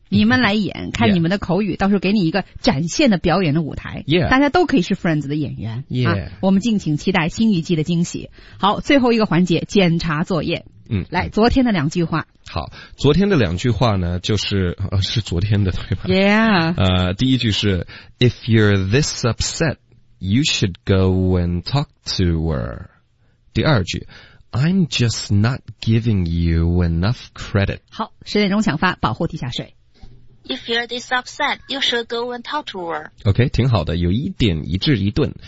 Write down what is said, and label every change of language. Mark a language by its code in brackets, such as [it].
[zh] 你们来演看你们的口语、 [en] yeah. [zh] 到时候给你一个展现的表演的舞台、 [en] yeah. [zh] 大家都可以是 Friends 的演员、 [en] yeah. [zh] 啊、我们敬请期待新一季的惊喜好最后一个环节检查作业来昨天的两句话好昨天的两句话呢就是、是昨天的对吧 [en] yeah、 [zh] 第一句是 [en] If you're this upset You should go and talk to her [zh] 第二句 [en] I'm just not giving you enough credit [zh] 好10点钟抢发保护地下水 [en] If you're this upset, you should go and talk to her. [zh] OK, 挺好的，有一点一致一顿。